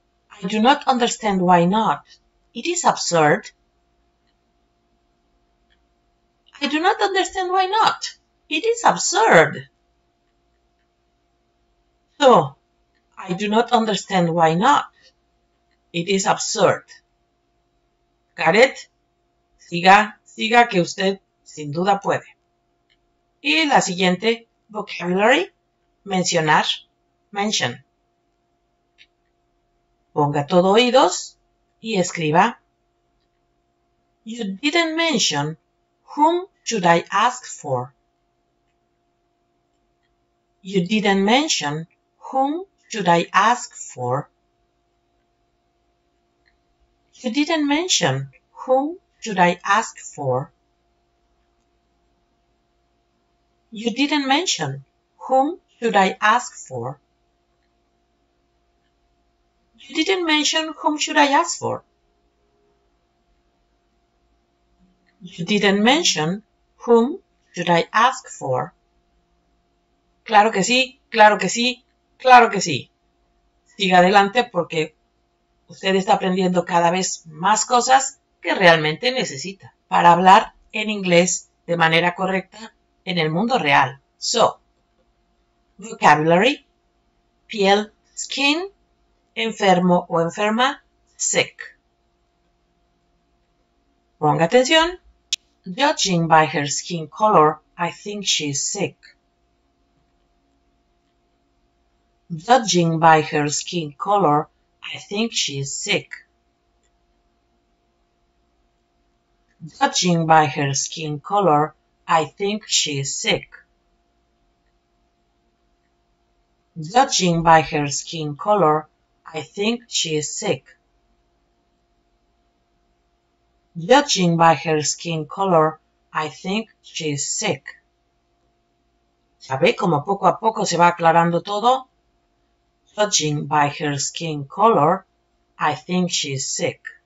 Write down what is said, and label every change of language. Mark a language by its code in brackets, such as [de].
[en] I do not understand why not. It is absurd. I do not understand why not. It is absurd. So, I do not understand why not. It is absurd. Got it? [es] Siga, siga que usted sin duda puede. Y la siguiente, vocabulary, mencionar, mention. Ponga todo oídos y escriba. [en] You didn't mention whom should I ask for. You didn't mention whom should I ask for. You didn't mention whom should I ask for. You didn't mention whom should I ask for. You didn't mention whom should I ask for. You didn't mention whom should I ask for. [es] Claro que sí, claro que sí, claro que sí. Siga adelante porque usted está aprendiendo cada vez más cosas que realmente necesita para hablar en inglés de manera correcta en el mundo real. So, vocabulary, piel, skin, enfermo o enferma, sick. Ponga atención. [en] Judging by her skin color, I think she's sick. Judging by her skin color, I think she's sick. Judging by her skin color, I think she's sick. Judging by her skin color, I think she's sick. Judging by her skin color, I think she's sick. [es] ¿Sabe cómo poco a poco se va aclarando todo? [en] Judging by her skin color, I think she's sick.